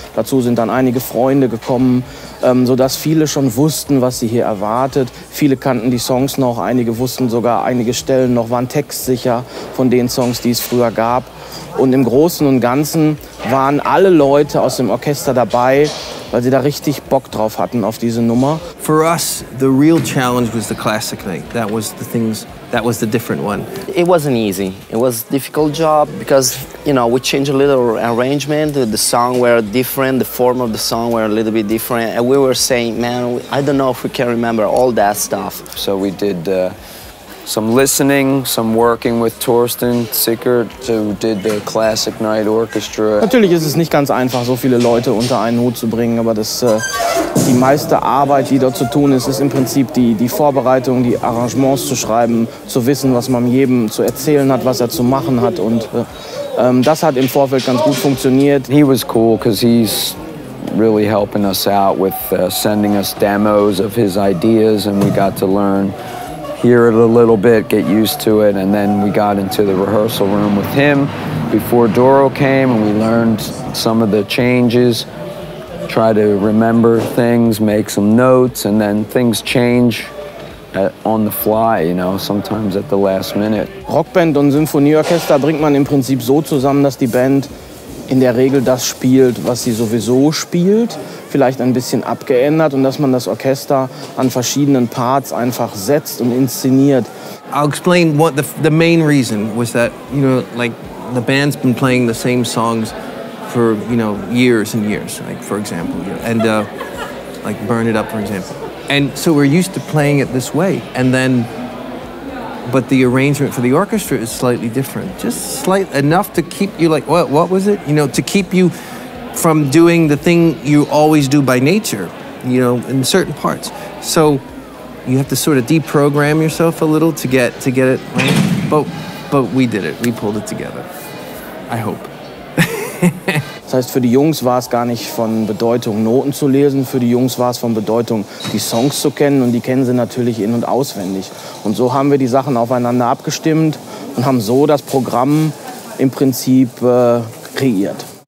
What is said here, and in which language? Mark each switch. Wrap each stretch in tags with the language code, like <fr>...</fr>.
<de>Dazu sind dann einige Freunde gekommen, sodass viele schon wussten, was sie hier erwartet. Viele kannten die Songs noch, einige wussten sogar einige Stellen noch, waren textsicher von den Songs, die es früher gab. Und im Großen und Ganzen waren alle Leute aus dem Orchester dabei, weil sie da richtig Bock drauf hatten auf diese Nummer.</de> <en>For us, the real challenge was the classic night. That was the things, that was the different one. It wasn't easy. It was a difficult job because, you know, we changed a little arrangement. The song were different, the form of the song were a little bit different. And we were saying, man, I don't know if we can remember all that stuff. So we did some listening, some working with Thorsten Sickert, who did the Classic Night Orchestra.</en> <de>Natürlich ist es nicht ganz einfach, so viele Leute unter einen Hut zu bringen, aber das, die meiste Arbeit, die dort zu tun ist, ist im Prinzip die Vorbereitung, die Arrangements zu schreiben, zu wissen, was man jedem zu erzählen hat, was er zu machen hat. Und das hat im Vorfeld ganz gut funktioniert.</de> <en>He was cool, because he's really helping us out with sending us demos of his ideas, and we got to learn. Hear it a little bit, get used to it, and then we got into the rehearsal room with him before Doro came, and we learned some of the changes, try to remember things, make some notes, and then things change on the fly, you know, sometimes at the last minute.</en> <de>Rockband und Symphonieorchester bringt man im Prinzip so zusammen, dass die Band in der Regel das spielt, was sie sowieso spielt, vielleicht ein bisschen abgeändert, und dass man das Orchester an verschiedenen Parts einfach setzt und inszeniert.</de> <en>I'll explain what the main reason was, that, you know, like the band's been playing the same songs for, you know, years and years, like for example, you know, and like Burn It Up, for example. And so we're used to playing it this way, and then but the arrangement for the orchestra is slightly different, just slight enough to keep you like, what was it? You know, to keep you from doing the thing you always do by nature, you know, in certain parts. So you have to sort of deprogram yourself a little to get it right. But we did it, we pulled it together, I hope.</en> <de>Das heißt, für die Jungs war es gar nicht von Bedeutung, Noten zu lesen. Für die Jungs war es von Bedeutung, die Songs zu kennen. Und die kennen sie natürlich in- und auswendig. Und so haben wir die Sachen aufeinander abgestimmt und haben so das Programm im Prinzip kreiert.</de>